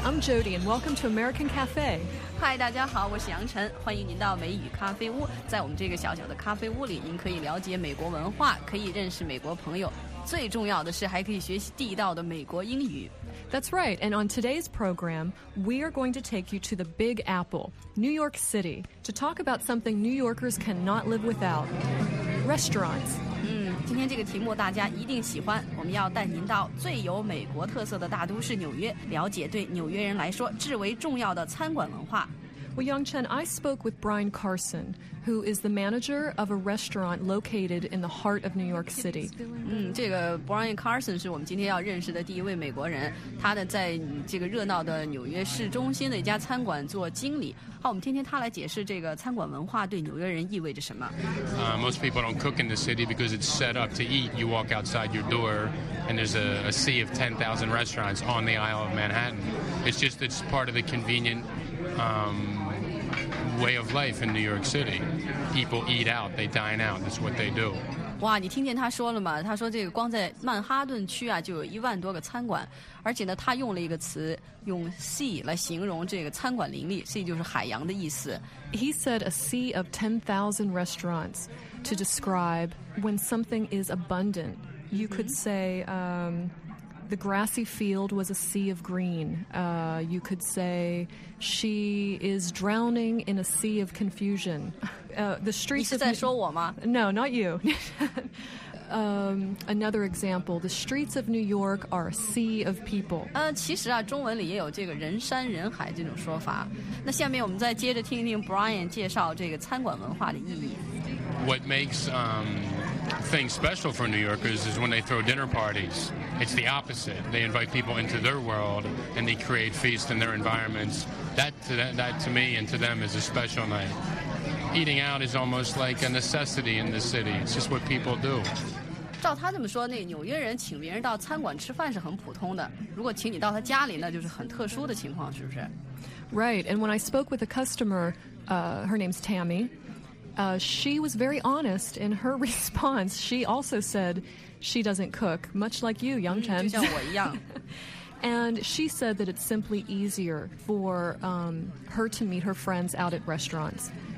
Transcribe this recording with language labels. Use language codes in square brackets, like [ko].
[en] I'm Jody, and welcome to American Cafe. [zh] Hi, 大家好，我是杨晨，欢迎您到美语咖啡屋。在我们这个小小的咖啡屋里，您可以了解美国文化，可以认识美国朋友，最重要的是还可以学习地道的美国英语。 [en] That's right. And on today's program, we are going to take you to the Big Apple, New York City, to talk about something New Yorkers cannot live without: restaurants. [zh] 今天这个题目大家一定喜欢。我们要带您到最有美国特色的大都市纽约，了解对纽约人来说至为重要的餐馆文化。 [en] Well, Yangchen, I spoke with Brian Carson, who is the manager of a restaurant located in the heart of New York City. [zh] 这个 Brian Carson 是我们今天要认识的第一位美国人，他的在这个热闹的纽约市中心的一家餐馆做经理。好，我们听听他来解释这个餐馆文化对纽约人意味着什么。 [en] Most people don't cook in the city because it's set up to eat. You walk outside your door, and there's a sea of 10,000 restaurants on the Isle of Manhattan. It's part of the convenient... way of life in New York City. People eat out, they dine out, that's what they do. [zh] 哇，你听见他说了吗？他说这个光在曼哈顿区啊，就有10,000多个餐馆，而且呢，他用了一个词，用 sea 来形容这个餐馆林立 ，sea 就是海洋的意思。 [en] He said a sea of 10,000 restaurants to describe when something is abundant. You could say, The grassy field was a sea of green. You could say she is drowning in a sea of confusion. The streets. [zh] 你是在说我吗？ [en] No, not you. another example: the streets of New York are a sea of people. [zh] 其实啊，中文里也有这个人山人海这种说法。那下面我们再接着听听 Brian 介绍这个餐馆文化的意义。 [en] What makes things special for New Yorkers is when they throw dinner parties. It's the opposite. They invite people into their world and they create feasts in their environments. That to me and to them is a special night. Eating out is almost like a necessity in the city. It's just what people do. [zh] 照他这么说，那纽约人请别人到餐馆吃饭是很普通的，如果请你到他家里，那就是很特殊的情况，是不是？ [en] Right. And when I spoke with a customer, her name's Tammy, she was very honest in her response. She also said she doesn't cook, much like you, Yangchen. [zh] 就像我一样。 [en] And she said that it's simply easier for her to meet her friends out at restaurants.